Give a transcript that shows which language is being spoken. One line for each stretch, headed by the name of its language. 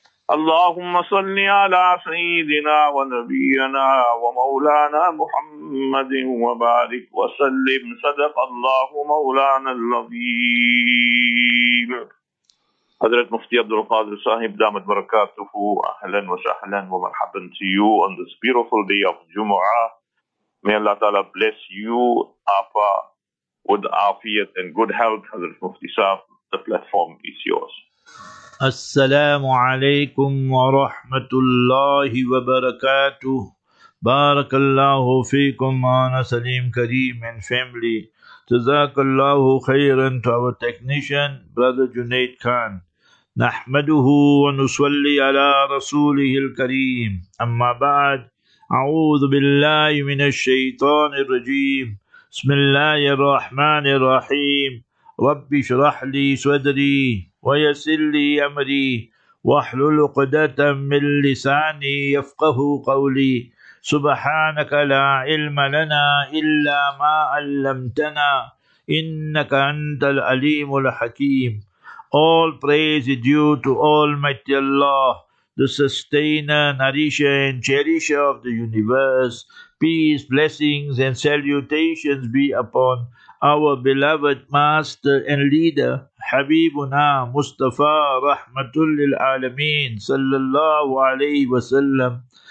Arabic: اللهم صل على سيدنا ونبينا ومولانا محمد وبارك وسلم. صدق الله مولانا العظيم. حضرت مفتي عبد القادر صاحب دامت بركاته، اهلا وسهلا ومرحبا
English: to you on this beautiful day of Jumu'ah. May Allah ta'ala bless you, Apa, with afiyat and good health. Hazrat Mufti Sahib, the platform is yours.
Arabic: السلام عليكم ورحمة الله وبركاته. بارك الله فيكم أنا سليم كريم
English: and family.
Arabic: جزاك الله خيرا
English: to our technician brother Junaid Khan.
Arabic: نحمده ونصلي على رسوله الكريم. أما بعد، أعوذ بالله من الشيطان الرجيم. بسم الله الرحمن الرحيم. رب اشرح لي صدري ويسر لي أمري واحلل عقدة من لساني يفقه قولي. سبحانك لا علم لنا إلا ما علمتنا إنك أنت العليم الحكيم.
English: All praise is due to Almighty Allah, the sustainer, nourisher and cherisher of the universe. Peace, blessings and salutations be upon our beloved master and leader Habibuna Mustafa Rahmatul Lil Alameen Sallallahu Alaihi Wasallam.